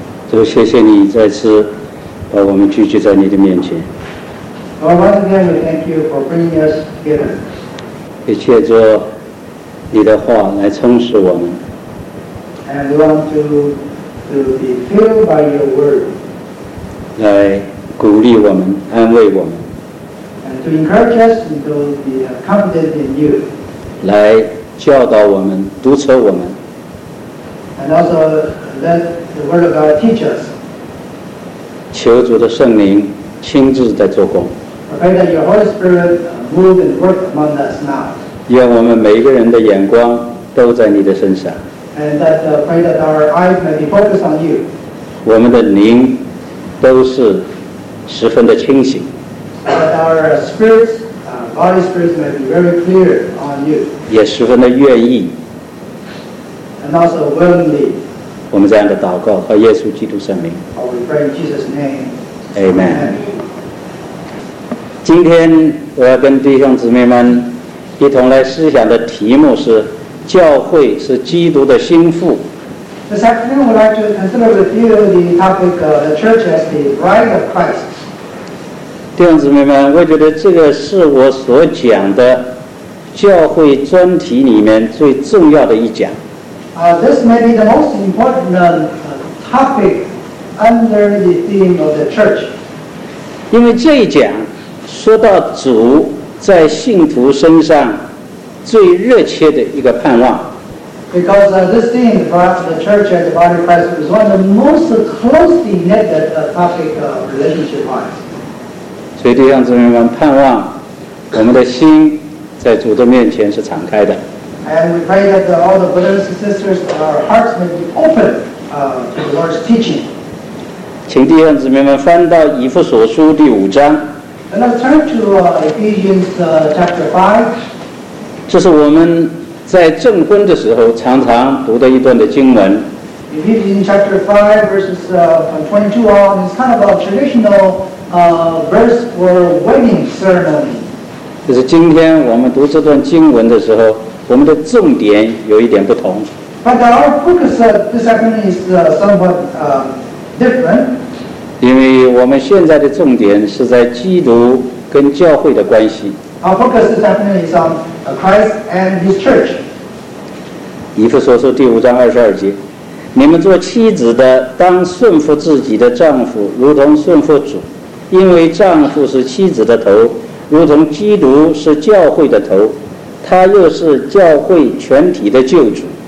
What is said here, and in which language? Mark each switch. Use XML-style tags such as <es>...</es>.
<zh>主，谢谢你再次把我们聚集在你的面前。</zh> <en>Lord, once again, we thank you for bringing us together.</en> <zh>也借着你的话来充实我们。</zh> <en>And we want to be filled by your word.</en> <zh>来鼓励我们，安慰我们。</zh> <en>And to encourage us and to be confident in you.</en> <zh>来教导我们，督促我们。</zh> <en>And also let the word of God teach us.</en> <zh>求主的圣灵亲自在做工。</zh> <en>I pray that your Holy Spirit move and work among us now.</en> <zh>愿我们每一个人的眼光都在你的身上。</zh> <en>And that pray that our eyes may be focused on you.</en> <zh>我们的灵都是十分的清醒。</zh> <en>That our spirits, body spirits may be very clear on you.</en> <zh>也十分的愿意。</zh> <en>And also willingly.</en> <zh>我们这样的祷告和耶稣基督圣名。</zh> <en>We pray in Jesus' name. Amen.</en> <zh>今天我要跟弟兄姊妹们一同来思想的题目是教会是基督的心腹。</zh> <en>This afternoon we'd like to consider with you the topic of the church as the bride of Christ.</en> <zh>弟兄姊妹们，我觉得这个是我所讲的教会专题里面最重要的一讲。</zh> <en>This may be the most important topic under the theme of the church.</en> <zh>因为这一讲说到主在信徒身上最热切的一个盼望。</zh> <en>Because this thing brought the church and the body of Christ was one of the most closely knit topic of relationship wise.</en> <zh>所以弟兄姊妹们，盼望我们的心在主的面前是敞开的。</zh> <en>And we pray that all the brothers and sisters of our hearts may be open to the Lord's teaching.</en> <zh>请弟兄姊妹们翻到以弗所书第五章。</zh> <en>Let's turn to Ephesians chapter 5.</en> <zh>这是我们在证婚的时候常常读的一段的经文。</zh> <en>Ephesians chapter 5 verses 22 on. It's kind of a traditional verse for wedding ceremony.</en> <zh>就是今天我们读这段经文的时候，我们的重点有一点不同。</zh> <en>But our focus this afternoon is somewhat different.</en> <zh>因为我们现在的重点是在基督跟教会的关系。</zh> <en>Our focus is definitely on Christ and His Church.</en> <zh>以弗所书第五章二十二节，你们做妻子的当顺服自己的丈夫，如同顺服主，因为丈夫是妻子的头，如同基督是教会的头，他又是教会全体的救主。</zh>